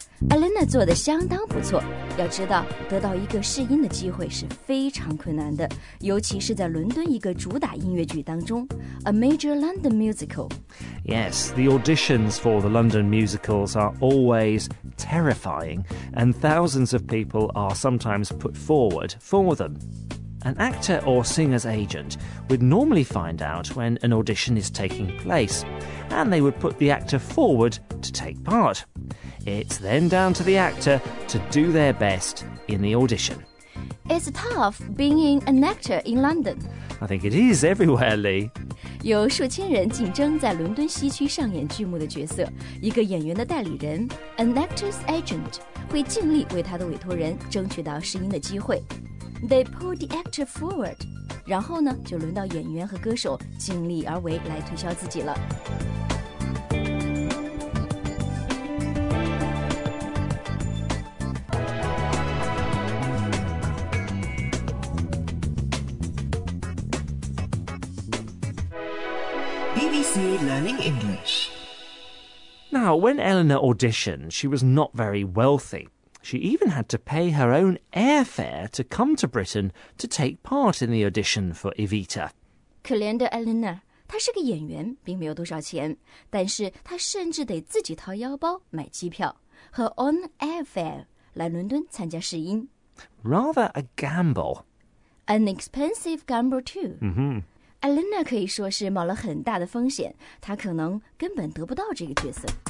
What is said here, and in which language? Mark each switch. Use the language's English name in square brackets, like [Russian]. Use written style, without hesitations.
[Chinese] Eleanor 做得相当不错。要知道，得到一个试音的机会是非常困难的，尤其是在伦敦一个主打音乐剧当中 ， [English] A major London musical. Yes, the auditions for the London musicals are always terrifying, and thousands of people are sometimes put forward for them. An actor or singer's agent would normally find out when an audition is taking place, and they would put the actor forward to take part. It's then down to the actor to do their best in the audition. It's tough being an actor in London. I think it is everywhere, Lee. [Chinese] 有数千人竞争在伦敦西区上演剧目的角色。一个演员的代理人 , [English] an actor's agent, [Chinese] 会尽力为他的委托人争取到试音的机会。 [English] They pull the actor forward. [Chinese] 然后呢,就轮到演员和歌手尽力而为来推销自己了。 [English] Learning English. Now, when Eleanor auditioned, she was not very wealthy. She even had to pay her own airfare to come to Britain to take part in the audition for Evita. [Chinese] 可怜的 Eleanor, 她是个演员，并没有多少钱，但是她甚至得自己掏腰包买机票和 [English] on airfare [Chinese] 来伦敦参加试音。 [English] Rather a gamble. An expensive gamble too. Mm-hmm. [Chinese] Elena 可以说是冒了很大的风险，她可能根本得不到这个角色。